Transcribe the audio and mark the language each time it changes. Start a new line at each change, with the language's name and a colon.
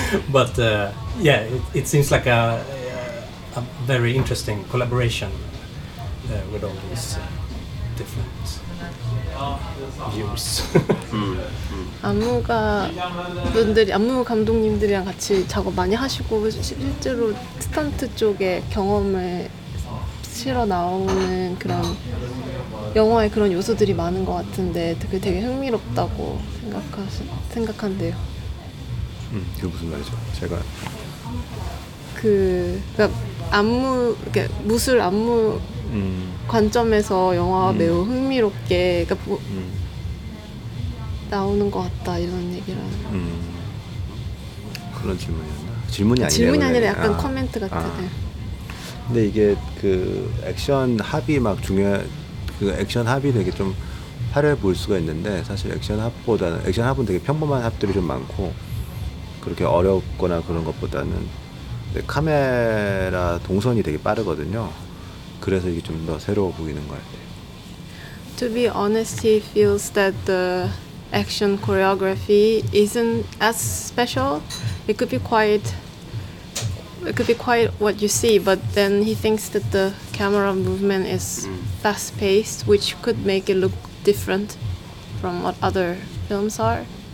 English: But yeah, it seems like a very interesting collaboration with all these different views.
Korean: 안무가 분들이 안무 감독님들이랑 같이 작업 많이 하시고 실제로 스턴트 쪽에 경험을 실어 나오는 그런 영화의 그런 요소들이 많은 것 같은데 그게 되게 흥미롭다고 생각한대요. 그게 무슨 말이죠? 제가 그러니까 안무 그러니까 무술 안무 관점에서 영화가 매우 흥미롭게 그러니까 나오는 것 같다 이런 얘기를 그런 질문이었나? 질문이 아니라 질문이 아니라 약간 코멘트 같아요. 근데 이게 그 액션 합이 막 그 액션 합이 되게 좀 화려해 보일 수가 있는데 사실 액션 합은 되게 평범한 합들이 좀 많고 그렇게 어렵거나 그런 것보다는 카메라 동선이 되게 빠르거든요. 그래서 이게 좀 더 새로워 보이는 것 같아요.
English: To be honest, he feels that the action choreography isn't as special. It could be quite what you see, but then he thinks that the camera movement is fast-paced, which could make it look different from what other films are.